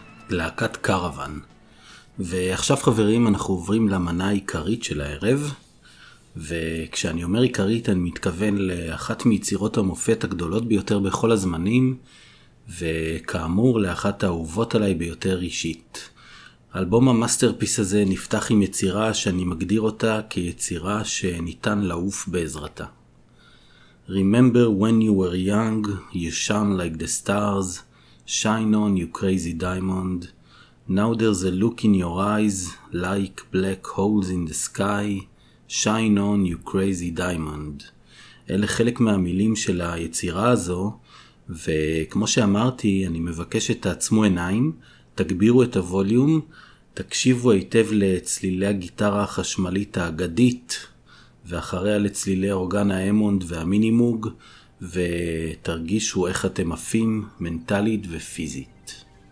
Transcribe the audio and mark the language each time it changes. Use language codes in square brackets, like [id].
[he] להקת קרוון. ועכשיו חברים, אנחנו עוברים למנה העיקרית של הערב, וכשאני אומר עיקרית אני מתכוון לאחת מיצירות המופת הגדולות ביותר בכל הזמנים, וכאמור לאחת האהובות עליי ביותר אישית. אלבום המאסטרפיס הזה נפתח עם יצירה שאני מגדיר אותה כיצירה שניתן לעוף בעזרתה. [en] Remember when you were young, you shone like the stars, shine on you crazy diamond, now there's a look in your eyes like black holes in the sky, shine on you crazy diamond. [he] אלה חלק מהמילים של היצירה הזו, וכמו שאמרתי, אני מבקש שתעצמו עיניים, תגבירו את הווליום, תקשיבו היטב לצלילי הגיטרה החשמלית האגדית, ואחריה לצלילי אורגן האמונד והמינימוג, ותרגישו איך אתם עפים מנטלית ופיזית.